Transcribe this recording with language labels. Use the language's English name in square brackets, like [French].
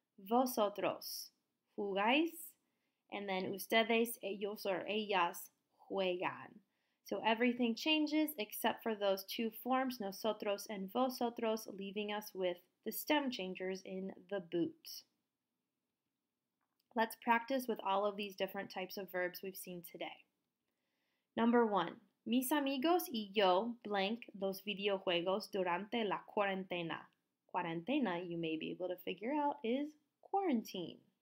[Spanish] Vosotros jugáis. [English] And then [Spanish] ustedes, ellos or ellas juegan. [English] So everything changes except for those two forms, nosotros and vosotros, leaving us with the stem changers in the boot. Let's practice with all of these different types of verbs we've seen today. Number one, [Spanish] mis amigos y yo blank los videojuegos durante la cuarentena. [English] Cuarentena, you may be able to figure out, is quarantine.